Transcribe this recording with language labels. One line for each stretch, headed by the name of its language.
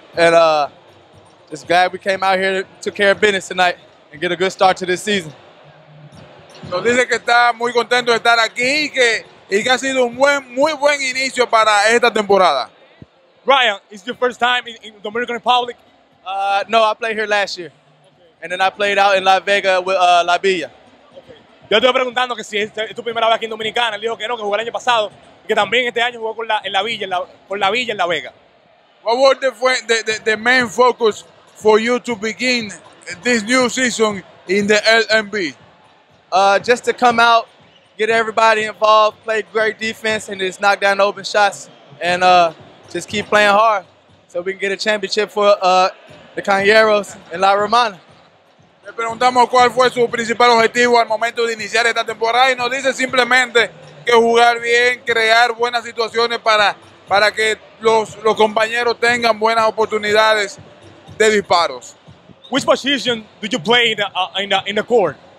English: And just glad we came out here to took care of business tonight and get a good start to this season.
Spanish: Nos dice que está muy contento de estar aquí y que ha sido un muy buen inicio para esta temporada.
English: Ryan, is your first time in Dominican Republic? No, I played here last year. Okay. And then I played out in La Vega with La Villa.
Spanish: Okay. Yo estoy preguntando que si es tu primera vez aquí en Dominicana. Él dijo que no, que jugó el año pasado. Que también este año jugó con la Villa en La Vega.
English: What was the main focus for you to begin this new season in the LNB? Just to come out, get everybody involved, play great defense, and just knock down open shots, and just keep playing hard so we can get a championship for the Cañeros and La Romana.
Spanish: Le preguntamos cuál fue su principal objetivo al momento de iniciar esta temporada y nos dice simplemente que jugar bien, crear buenas situaciones para que los compañeros tengan buenas oportunidades de disparos.
English: Which position do you play in the court?